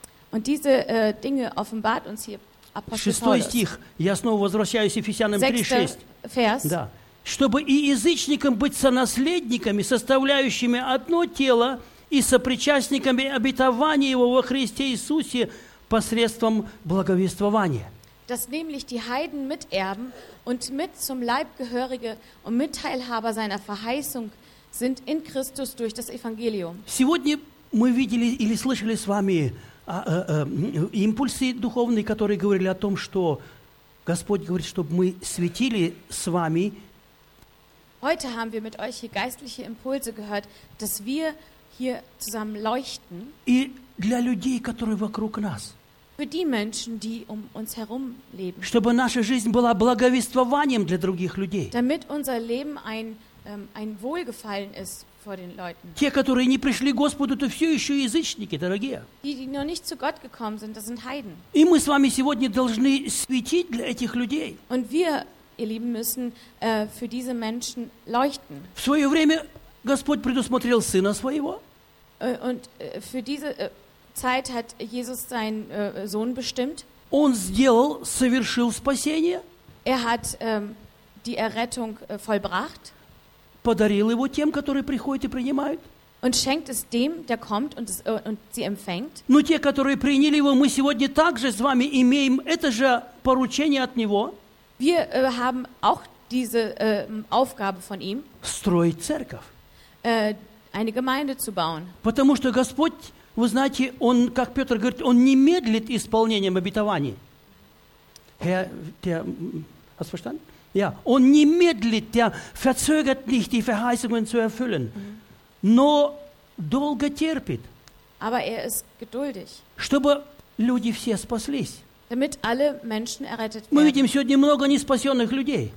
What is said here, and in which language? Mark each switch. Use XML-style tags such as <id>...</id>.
<de>Und diese Dinge offenbart uns hier</de> <ru>Апостол Павел. 6 стих. Я снова возвращаюсь к Ефесянам 3:6. Да. Чтобы и язычникам быть сонаследниками, составляющими одно тело, и сопричастниками обетования Его во Христе Иисусе посредством благовествования.</ru> <de>Dass nämlich die Heiden miterben und mit zum Leib gehörige und Mitteilhaber seiner Verheißung sind in Christus durch das Evangelium.</de> <ru>Сегодня мы видели или слышали с вами импульсы духовные, которые говорили о том, что Господь говорит, чтобы мы светили с вами.</ru> <de>Heute haben wir mit euch hier geistliche Impulse gehört, dass wir hier zusammen leuchten.</de> <ru>И для людей, которые вокруг нас.</ru> <de>Für die Menschen, die um uns herum leben.</de> <ru>Чтобы наша жизнь была благовествованием для других людей.</ru> <de>Damit unser Leben ein Wohlgefallen ist vor den Leuten.</de> <ru>Те, которые не пришли к Господу, то все еще язычники, дорогие.</ru> <de>Die noch nicht zu Gott gekommen sind, das sind Heiden.</de> <ru>И мы с вами сегодня должны светить для этих людей.</ru> <de>Und wir, ihr Lieben, müssen für diese Menschen leuchten.</de> <ru>В свое время Господь предусмотрел Сына Своего.</ru> <de>Und für diese Zeit hat Jesus seinen Sohn bestimmt.</de> <ru>Он сделал, совершил спасение.</ru> <de>Er hat die Errettung vollbracht.</de> <ru>Подарил его тем, которые приходят и принимают.</ru> <de>Und schenkt es dem, der kommt und, es, und sie empfängt.</de> <ru>Но те, которые приняли его, мы сегодня также с вами имеем это же поручение от него.</ru> <de>Wir haben auch diese Aufgabe von ihm.</de> <ru>Строить церковь.</ru> <de>Eine Gemeinde zu bauen.</de> <ru>Потому что Господь, вы знаете, он, как Петр говорит, он не медлит исполнением обетований.</ru> <de>Hast verstanden? Ja,</de> <ru>он не медлит,</ru> <de>der verzögert nicht, die Verheißungen zu erfüllen,</de> <ru>но долго терпит.</ru> <de>Aber er ist geduldig.</de> <ru>Чтобы люди все спаслись.</ru> <de>Damit alle Menschen errettet werden.</de> <ru>Мы видим сегодня много неспасенных людей.</ru>